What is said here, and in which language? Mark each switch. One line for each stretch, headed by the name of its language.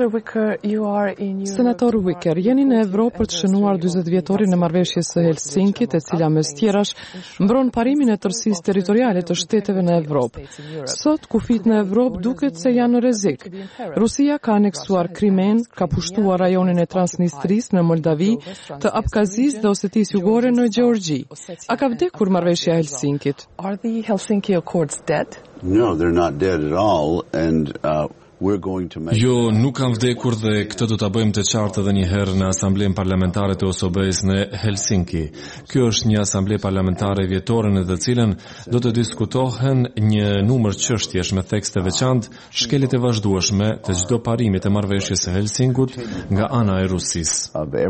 Albanian: Senator Wicker, jeni në Evropë për të shënuar 40 vjetorin e marrëveshjes së Helsinkit, e cila mes tjerash mbron parimin e tërësisë territoriale të shteteve në Evropë. Sot kufit në Evropë duket se janë në rrezik. Rusia ka aneksuar Krimen, ka pushtuar rajonin e Transnistrisë në Moldavi, të Abkazisë dhe Osetisë Jugore në Gjeorgji. A ka vdekur marrëveshja e Helsinkit?
English: Are the Helsinki Accords dead? No, they're not dead at all and
Albanian: Jo, nuk kam vdekur dhe këtë do ta bëjmë të qartë edhe një herë në asamblen parlamentare të Osobës në Helsinki. Kjo është një asamble parlamentare vjetore në të cilën do të diskutohen një numër çështjesh me tekste të veçantë, shkeljet e vazhdueshme të çdo parimi të marrëveshjes së Helsinkut nga ana e Rusisë.